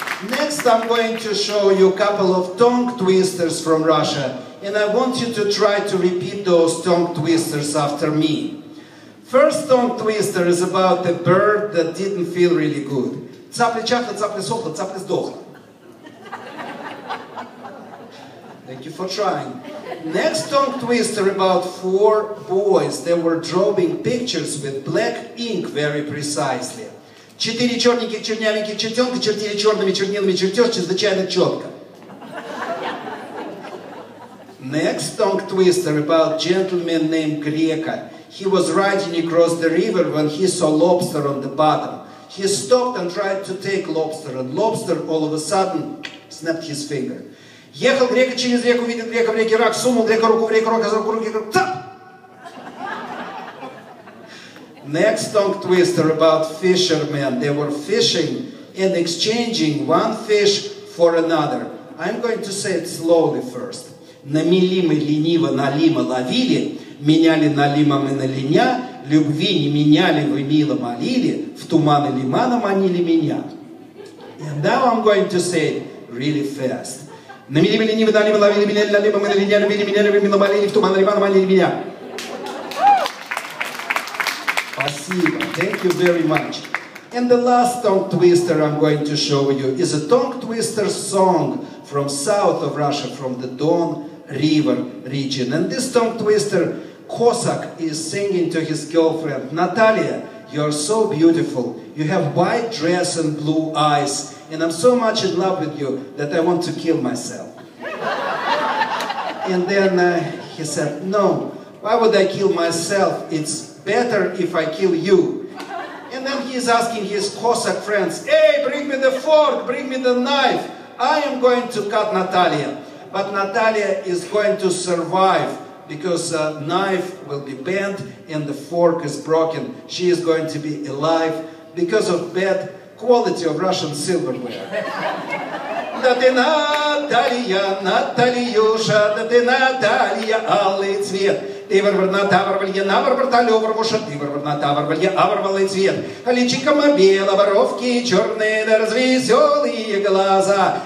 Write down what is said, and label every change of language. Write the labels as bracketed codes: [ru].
[en] Next, I'm going to show you a couple of tongue twisters from Russia, and I want you to try to repeat those tongue twisters after me. First tongue twister is about a bird that didn't feel really good. [ru] Цапля чахла, цапля сохла, цапля сдохла. [en] Thank you for trying. Next tongue twister about four boys that were drawing pictures with black ink very precisely. [ru] Четыре черненьких чернявеньких чертенка чертили черными чернилами чертеж чрезвычайно четко. [en] Next tongue twister about gentleman named Greco. He was riding across the river when he saw lobster on the bottom. He stopped and tried to take lobster, and lobster all of a sudden snapped his finger. [ru] Ехал Греко через реку, видит Греко в реке рак, сунул Греко руку в реку, рак, а за руку руки, цап! [en] Next tongue twister about fishermen. They were fishing and exchanging one fish for another. I'm going to say it slowly first. [ru] На мели мы лениво налима ловили, меняли налима мы на линя, любви не меняли вы мило молили, в туманы лимана манили меня. [en] And now I'm going to say it really fast. [ru] На мели мы лениво налима ловили, меняли налима мы на линя, любви меняли вы мило молили, в туманы лимана манили меня. [en] Thank you very much. And the last tongue twister I'm going to show you is a tongue twister song from south of Russia, from the Don River region. And this tongue twister, Cossack, is singing to his girlfriend, Natalia, you're so beautiful. You have white dress and blue eyes, and I'm so much in love with you that I want to kill myself. And then he said, no, why would I kill myself? It's better if I kill you. And then he's asking his Cossack friends, hey, bring me the fork, bring me the knife. I am going to cut Natalia. But Natalia is going to survive because the knife will be bent and the fork is broken. She is going to be alive because of bad quality of Russian silverware. [ru] Да ты Наталья, Натальюша, да ты Наталья, алый цвет. Ты ворвана таварвалья, наварварта леварвуша, ты ворвана таварвалья, аварвалый цвет. Личико мы бело, воровки черные, да развеселые глаза.